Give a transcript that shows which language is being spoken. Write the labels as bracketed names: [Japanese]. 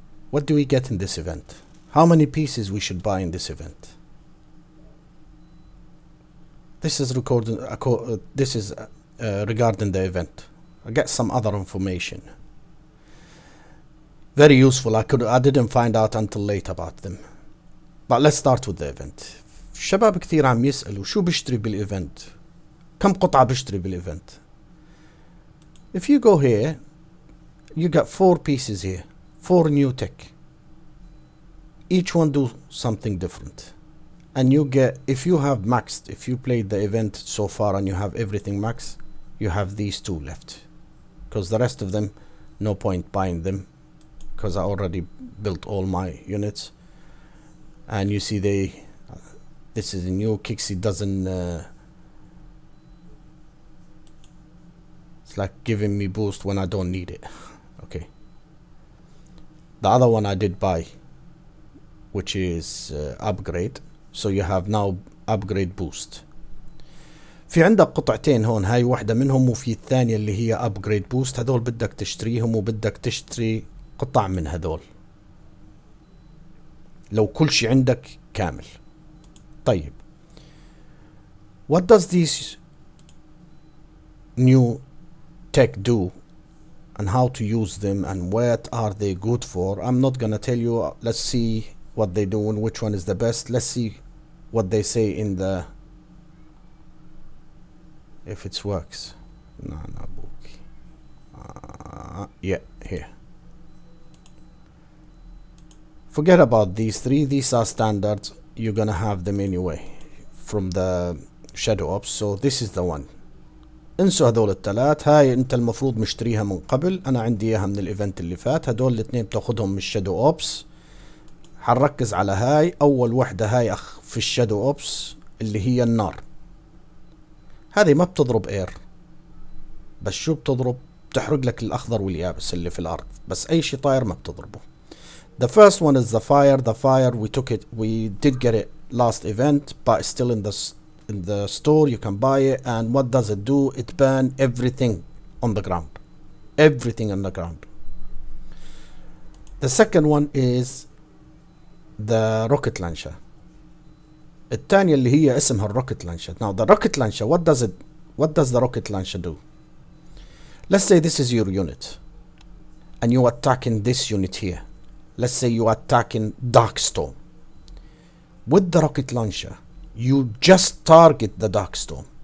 [English] What do we get in this event? How many pieces we should buy in this event? This is regarding the event. I get some other information. Very useful. I didn't find out until late about them. But let's start with the event. [Arabic] شباب كثير عم يسألوا شو بشتري بالإيفنت؟ [English] كم قطعة بشتري بالإيفنت؟ If you go here, you got four pieces here, four new tech. Each one do something different. And you get, if you have maxed, if you played the event so far and you have everything maxed, you have these two left. Because the rest of them, no point buying them. Because I already built all my units. And you see they... This is a new Kixi doesn't it's like giving me boost when I don't need it. Okay. The other one I did buy, which is upgrade. So you have now upgrade boost. [Arabic] في عندك قطعتين هون هاي واحدة منهم وفي الثانية اللي هي upgrade boost هذول بدك تشتريهم وبدك تشتري قطع من هذول. لو كل شيء عندك كامل. طيب [English] what does this new tech do and how to use them and what are they good for? I'm not gonna tell you. Let's see what they do and which one is the best. Let's see what they say in the if it works. No book. Yeah, here. Forget about these three. These are standards. You're gonna have them anyway from the shadow ops. So this is the one. [Arabic] انسوا هذول الثلاث هاي انت المفروض مشتريها من قبل انا عندي اياها من الايفنت اللي فات هذول الاثنين بتاخذهم من الشادو اوبس حنركز على هاي اول وحده هاي اخ في الشادو اوبس اللي هي النار هذه ما بتضرب اير بس شو بتضرب بتحرق لك الاخضر واليابس اللي في الارض بس اي شيء طاير ما بتضربه. [English] The first one is the fire. The fire, we took it, we did get it last event, but still in the store, you can buy it. And what does it do? It burn everything on the ground. Everything on the ground. The second one is the rocket launcher. [Arabic] الثانية اللي هي اسمها rocket launcher. [English] Now the rocket launcher, what does the rocket launcher do? Let's say this is your unit and you are attacking this unit here. Let's say you are attacking Darkstorm. With the rocket launcher, you just target the Darkstorm.